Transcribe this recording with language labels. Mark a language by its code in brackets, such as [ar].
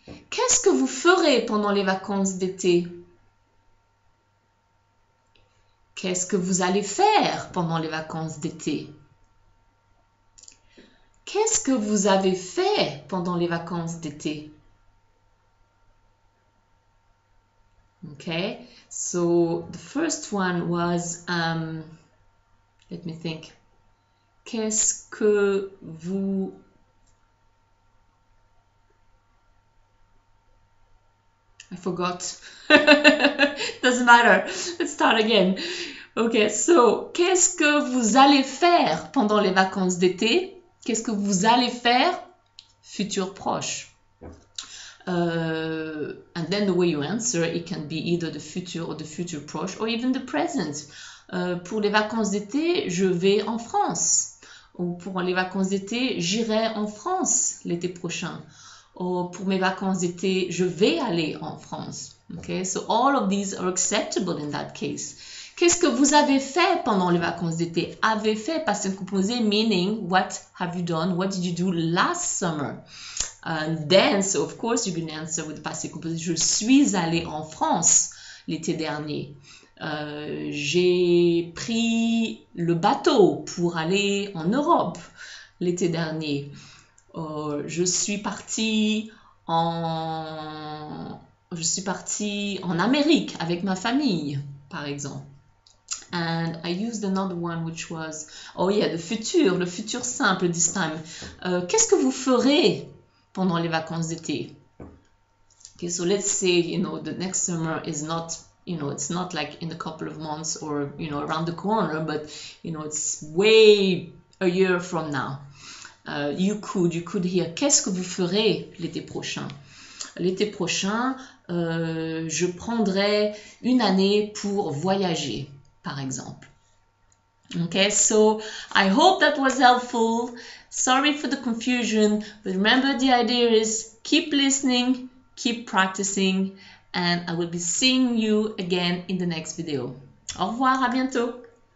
[fr] Qu'est-ce que vous ferez pendant les vacances d'été? Qu'est-ce que vous allez faire pendant les vacances d'été? Qu'est-ce que vous avez fait pendant les vacances d'été? [en] Okay, so the first one was, let me think. [fr] Qu'est-ce que vous... [en] I forgot. Doesn't matter. Let's start again. Okay, so, [fr] qu'est-ce que vous allez faire pendant les vacances d'été? Qu'est-ce que vous allez faire? Futur proche. [en] And then the way you answer, it can be either the future or the future proche or even the present. [fr] Pour les vacances d'été, je vais en France. Ou pour les vacances d'été, j'irai en France l'été prochain. Oh, pour mes vacances d'été, je vais aller en France. [en] Okay, so all of these are acceptable in that case. [fr] Qu'est-ce que vous avez fait pendant les vacances d'été? Avez fait, [en] passé composé, meaning, what have you done? What did you do last summer? And then, so of course, you can answer with the passé composé. [fr] Je suis allé en France l'été dernier. J'ai pris le bateau pour aller en Europe l'été dernier. Je suis partie en Amérique avec ma famille, par exemple. [en] And I used another one which was, oh yeah, [fr] le futur simple [en] this time. [fr] Qu'est-ce que vous ferez pendant les vacances d'été? [en] Okay, so let's say, you know, the next summer is not, you know, it's not like in a couple of months or, you know, around the corner, but, you know, it's way a year from now. You could hear, [fr] qu'est-ce que vous ferez l'été prochain? L'été prochain, je prendrai une année pour voyager, par exemple. [en] Okay, so I hope that was helpful. Sorry for the confusion, but remember the idea is keep listening, keep practicing, and I will be seeing you again in the next video. [fr] Au revoir, à bientôt!